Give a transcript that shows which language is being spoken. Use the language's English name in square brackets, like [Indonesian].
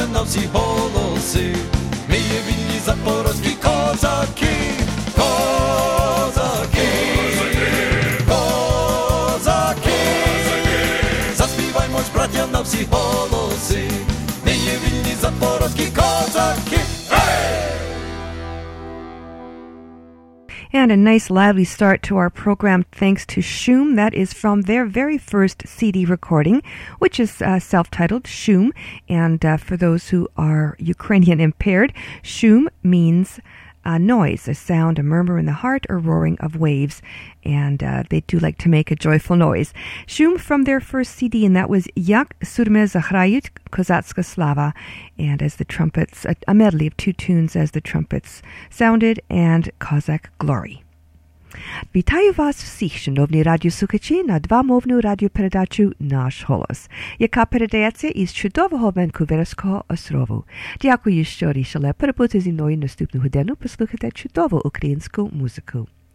[Ukrainian] Ці голоси, ми є вільні запорозькі козаки, козаки, козаки, козаки, заспіваймо ж, браття, на всі голоси, ми є вільні запорозькі козаки. [English] And a nice lively start to our program, thanks to Shoom. That is from their very first CD recording, which is self-titled Shoom. And for those who are Ukrainian impaired, Shoom means a noise, a sound, a murmur in the heart, or roaring of waves. And they do like to make a joyful noise. Shoom from their first CD, and that was Yak Surme Zahrayut Kozatska Slava. And as the trumpets, a medley of two tunes as the trumpets sounded, and Kozak Glory. [Ukrainian] Вітаю вас всіх, шановні радіослухачі, на двомовну радіопередачу «Наш голос», яка передається із чудового Ванкуверського острову. Дякую, що рішили перебути зі мною наступну годину послухати чудову українську музику.